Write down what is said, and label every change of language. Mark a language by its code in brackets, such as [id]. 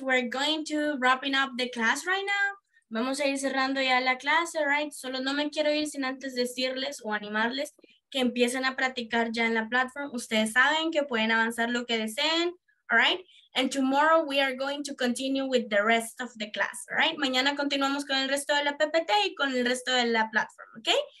[en] We're going to wrapping up the class right now. [es] Vamos a ir cerrando ya la clase, right? Solo no me quiero ir sin antes decirles o animarles que empiecen a practicar ya en la platform. Ustedes saben que pueden avanzar lo que deseen, all right? [en] And tomorrow we are going to continue with the rest of the class, all right? [es] Mañana continuamos con el resto de la PPT y con el resto de la platform, okay?